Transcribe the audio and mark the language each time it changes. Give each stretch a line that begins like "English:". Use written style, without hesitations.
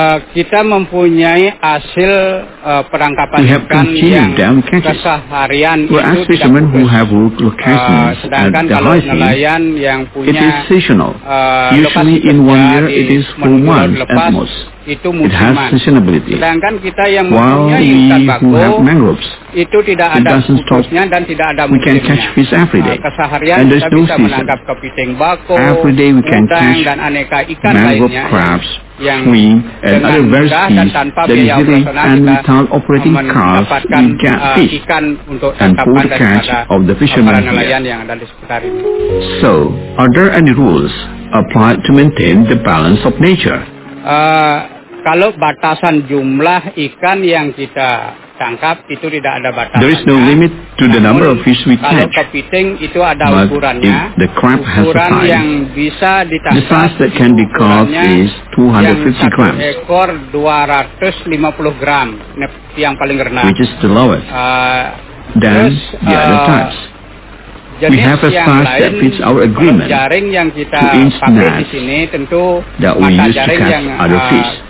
Indonesian: Kita mempunyai hasil penangkapan ikan yang keseharian itu
English: as fishermen who have worked locations at the high seas, it is seasonal. Usually in one year it is 4 months at most. It has seasonability.
Indonesian: Sedangkan kita yang mempunyai ikan bakau, itu tidak ada khususnya dan tidak ada musimnya.
English: We can catch fish every day.
Indonesian: Keseharian kita bisa menangkap kepiting bakau, udang, dan aneka ikan lainnya.
English: Swing and other varieties that is hidden and without operating cars we catch fish and pull the catch of the fishermen here. So, are there any rules applied to maintain the balance of nature?
Indonesian: Kalau batasan jumlah ikan yang kita tangkap itu tidak ada batasannya.
English: There is no limit to the number of fish we catch.
Indonesian: Kalau kepiting itu ada ukurannya. Ukuran yang bisa ditangkap.
English: The size that can be caught is 250 grams.
Indonesian: Yang satu ekor 250 gram yang paling rendah.
English: Which is the lowest. Then the other types. We have a size that fits our agreement, 2-inch net that we use to catch other fish.